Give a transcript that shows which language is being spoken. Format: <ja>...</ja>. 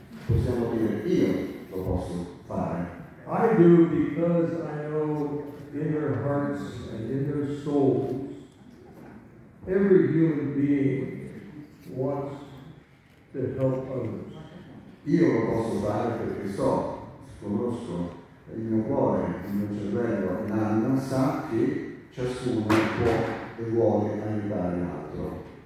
<it>Possiamo dire, io lo posso fare.</it> <en>I do because I know in their hearts and in their souls, every human being wants to help others.</en> <it>Io lo posso fare perché so, conosco il mio cuore, il mio cervello, l'anima sa che ciascuno può e vuole aiutare l'altro.</it>